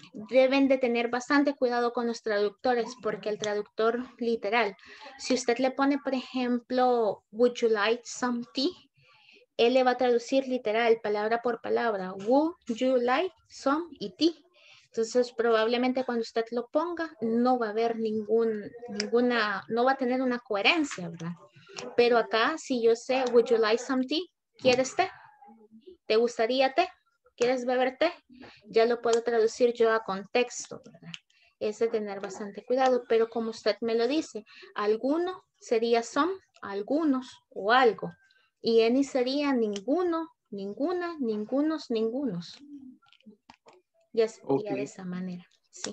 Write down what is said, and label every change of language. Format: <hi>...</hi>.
<es>Deben de tener bastante cuidado con los traductores, porque el traductor literal, si usted le pone, por ejemplo,</es> <en>would you like some tea?</en> <es>Él le va a traducir literal, palabra por palabra,</es> <en>would you like some</en> <es>y ti. Entonces, probablemente cuando usted lo ponga, no va a haber ninguna, no va a tener una coherencia, ¿verdad? Pero acá, si yo sé,</es> <en>would you like some tea?</en> <es>¿Quieres té? ¿Te gustaría té? ¿Quieres beber té? Ya lo puedo traducir yo a contexto, ¿verdad? Es de tener bastante cuidado, pero como usted me lo dice, alguno sería some, algunos o algo. Y any sería ninguno, ninguna, ningunos, ningunos. Ya sería okay. De esa manera. Sí.</es>